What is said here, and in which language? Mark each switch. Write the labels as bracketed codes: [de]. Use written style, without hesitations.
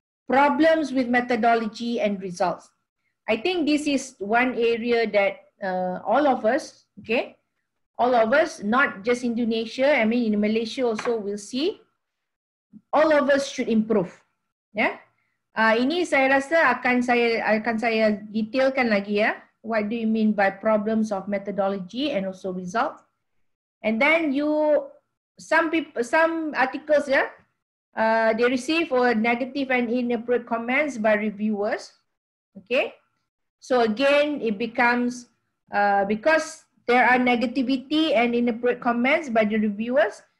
[en] Problems with methodology and results. I think this is one area that all of us, okay, all of us, not just Indonesia, I mean in Malaysia also, we'll see, all of us should improve, ya. Yeah? [ms] Ini saya rasa akan saya detailkan lagi, ya. Yeah? [en] What do you mean by problems of methodology and also results? And then some articles, yeah, they receive or negative and inappropriate comments by reviewers. Okay, so again, it becomes because there are negativity and inappropriate comments by the reviewers.